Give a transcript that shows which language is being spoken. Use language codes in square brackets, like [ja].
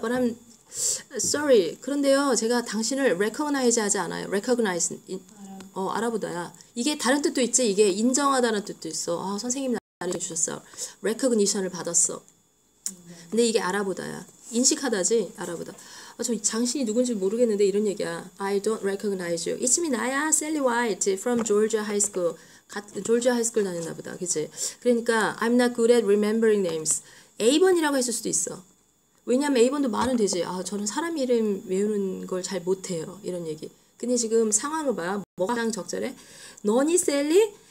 [en] But I'm sorry. [ko] 그런데요, 제가 당신을 recognize 하지 않아요. recognize 알아보다야. 이게 다른 뜻도 있지. 이게 인정하다는 뜻도 있어. 아, 선생님 나를 주셨어. recognition을 받았어. 근데 이게 알아보다야. 인식하다지. 알아보다. 아, 저 당신이 누군지 모르겠는데 이런 얘기야. [en] I don't recognize you. It's me, [ko] 나야, [en] Sally White from Georgia High School. [ko] 졸지아 하이스쿨 다녔나 보다. 그치? 그러니까 [en] I'm not good at remembering names. [ko] A번이라고 했을 수도 있어. 왜냐면 A번도 말은 되지. 아, 저는 사람 이름 외우는 걸잘 못해요. 이런 얘기. 근데 지금 상황을 봐. 뭐가 가장 적절해? 너니 셀리?